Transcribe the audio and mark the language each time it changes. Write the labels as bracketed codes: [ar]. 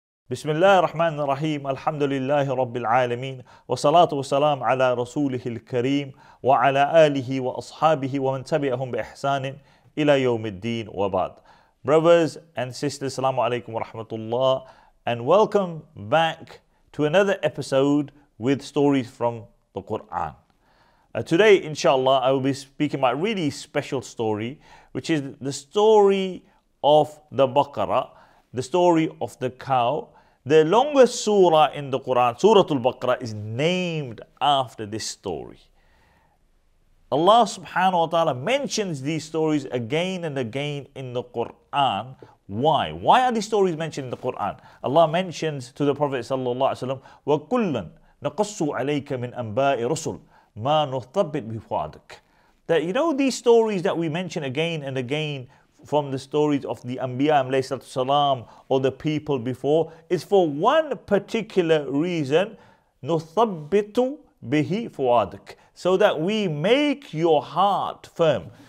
[ar] بسم الله الرحمن الرحيم الحمد لله رب العالمين والصلاة والسلام على رسوله الكريم وعلى آله وأصحابه ومن تبعهم بإحسان إلى يوم الدين وبعد. [en] Brothers and sisters, السلام عليكم ورحمة الله and welcome back to another episode with stories from the Quran. Today, inshallah, I will be speaking about a really special story, which is the story of the Baqarah, the story of the cow. The longest surah in the Quran, Suratul Baqarah, is named after this story. Allah subhanahu wa ta'ala mentions these stories again and again in the Quran. Why? Why are these stories mentioned in the Quran? Allah mentions to the Prophet sallallahu alaihi wasallam, وَكُلًّا نَقَصُّ عَلَيْكَ مِنْ أَنْبَاءِ رُسُلْ مَا نُثَبِّتْ بِفُعَدِكَ. That, you know, these stories that we mention again and again from the stories of the Anbiya alayhi salatu salam or the people before, is for one particular reason, نُثَبِّتُ بِهِ فُعَدِكَ, so that we make your heart firm.